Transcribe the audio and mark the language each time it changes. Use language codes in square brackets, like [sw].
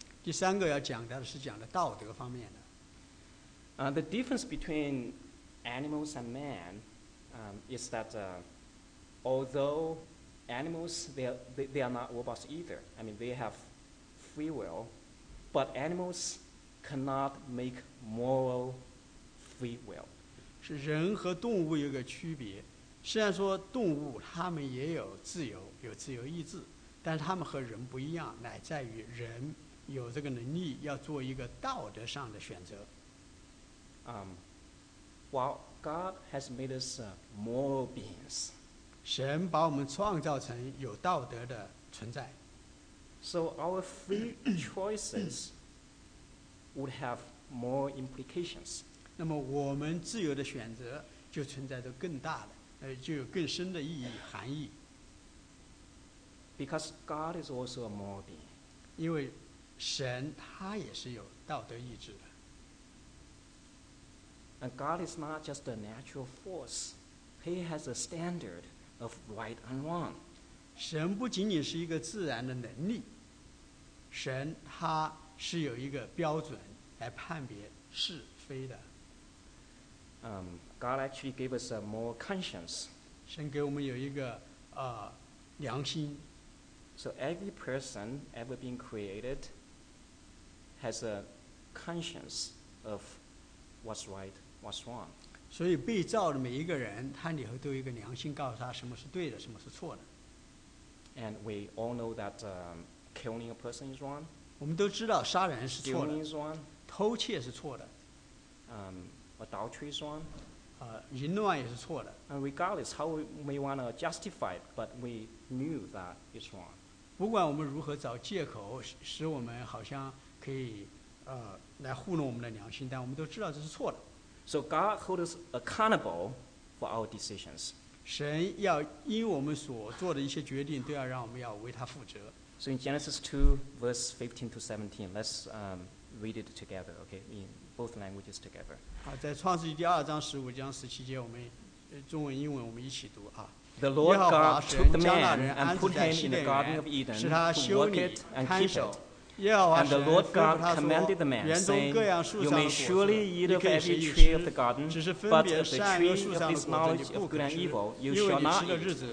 [zh] 第三个要讲到的是讲的道德方面的。 [en] The difference between animals and man. Is that although animals they are not robots either. I mean they have free will, but animals cannot make moral free will. [zh] 是人和动物有个区别。虽然说动物它们也有自由，有自由意志，但是它们和人不一样，乃在于人有这个能力要做一个道德上的选择。 [en] While God has made us moral beings. [zh] 神把我们创造成有道德的存在。 [en] So our free choices would have moral implications. [zh] 那么我们自由的选择就存在着更大的就有更深的意义含义。 [en] Because God is also a moral being. [zh] 因为神他也是有道德意志的。 [en] And God is not just a natural force. He has a standard of right and wrong. [zh] 神不仅仅是一个自然的能力，神他是有一个标准来判别是非的。 [en] God actually gave us a moral conscience. [zh] 神给我们有一个良心。 [en] So every person ever been created has a conscience of what's right. What's wrong? [zh] 所以被造的每一个人，他里头都有一个良心，告诉他什么是对的，什么是错的。 [en] And we all know that killing a person is wrong. [zh] 我们都知道杀人是错的。 [en] Stealing is wrong. [zh] 偷窃是错的。 [en] Adultery is wrong. [zh] 淫乱也是错的。 [en] And regardless how we may want to justify, but we knew that it's wrong. [zh] 不管我们如何找借口，使我们好像可以来糊弄我们的良心，但我们都知道这是错的。 [en] So God holds us accountable for our decisions. [zh] 神要因我们所做的一些决定，都要让我们要为他负责。 [en] So in Genesis 2, verse 15 to 17, let's read it together, okay? In both languages together. [zh] 好，在创世纪第二章十五章十七节，我们中文、英文我们一起读啊。 [en] The Lord God took the man and put him in the Garden of Eden to work it and keep it. And the Lord God commanded the man, saying, You may surely eat of every tree of the garden, but of the tree of this knowledge of good and evil, you shall not eat.